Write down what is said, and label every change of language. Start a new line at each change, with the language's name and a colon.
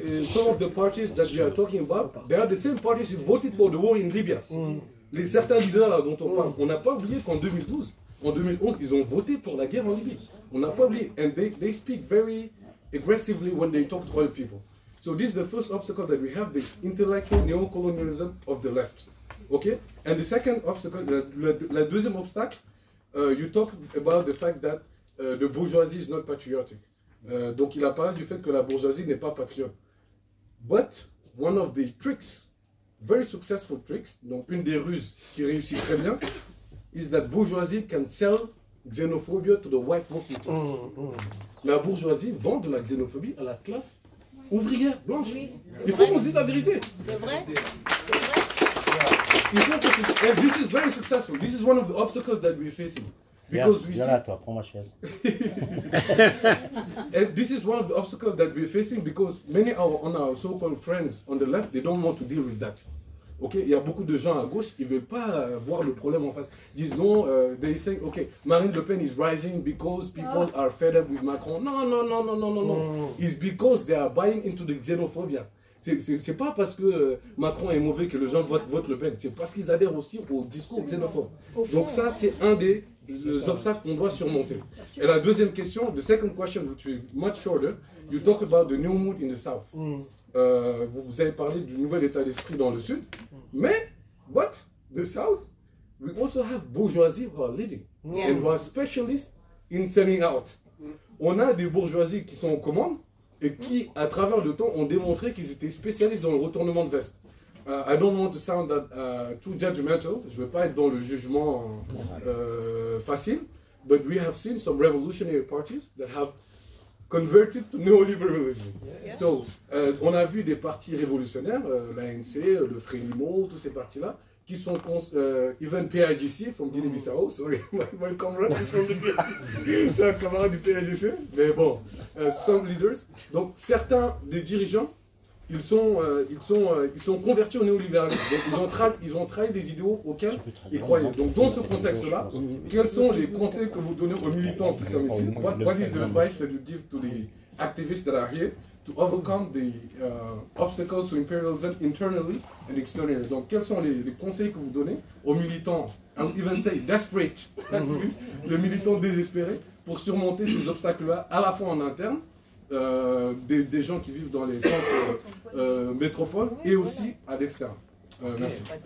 English: Some of the parties that we are talking about, they are the same parties who voted for the war in Libya.
French: Les certains leaders là dont on parle, on n'a pas oublié qu'en 2012, en 2011, ils ont voté pour la guerre en Libye. On n'a pas oublié.
English: And they speak very aggressively when they talk to other people. So this is the first obstacle that we have, the intellectual neo-colonialism of the left. Okay, and the second obstacle,
French: la deuxième obstacle,
English: you talk about the fact that the bourgeoisie is not patriotic.
French: Donc il a parlé du fait que la bourgeoisie n'est pas patriote.
English: But one of the tricks, very successful tricks,
French: donc une des ruses qui réussit très bien,
English: is that bourgeoisie can sell xenophobia to the white working class.
French: La bourgeoisie vend de la xénophobie à la classe ouvrière blanche. Il faut qu'on se dise la vérité. C'est vrai.
English: This is very successful. This is one of the obstacles that we're facing. Because we see.
French: Toi, prends ma chaise.
English: And this is one of the obstacles that we're facing because many on our so-called friends on the left, they don't want to deal with that.
French: Okay, il y a beaucoup de gens à gauche, ils ne veulent pas voir le problème en face. Ils disent non,
English: they say, okay, Marine Le Pen is rising because people are fed up with Macron. No. It's because they are buying into the xenophobia.
French: C'est pas parce que Macron est mauvais que les gens votent Le Pen, c'est parce qu'ils adhèrent aussi au discours xénophobe. Donc ça, c'est un des les obstacles qu'on doit surmonter. Et la deuxième question,
English: the second question, which is much shorter, you talk about the new mood in the South.
French: Vous avez parlé du nouvel état d'esprit dans le Sud, mais,
English: but, the South, we also have bourgeoisie who are leading and who are specialists in selling out.
French: On a des bourgeoisies qui sont en commande et qui, à travers le temps, ont démontré qu'ils étaient spécialistes dans le retournement de veste.
English: I don't want to sound that too judgmental.
French: Je veux pas être dans le jugement facile,
English: but we have seen some revolutionary parties that have converted to neoliberalism. Yeah.
French: So, on a vu des partis révolutionnaires, l'ANC, le Frelimo, tous ces partis-là, qui sont
English: even PIGC from Guinea-Bissau. Sorry, my comrade is from the PIGC.
French: C'est un camarade du PIGC. Mais bon,
English: some leaders.
French: Donc certains des dirigeants. Ils sont convertis au néolibéralisme. Donc, ils ont trahi des idéaux auxquels ils croyaient. Donc, dans ce contexte-là, quels sont les conseils que vous donnez aux militants qui sont ici?
English: What is the advice that you give to the activists that are here to overcome the obstacles to imperialism internally and externally?
French: Donc, quels sont les conseils que vous donnez aux militants,
English: I'll even say desperate activists,
French: les militants désespérés, pour surmonter ces obstacles-là, à la fois en interne, des gens qui vivent dans les centres métropoles et aussi à l'extérieur. Merci.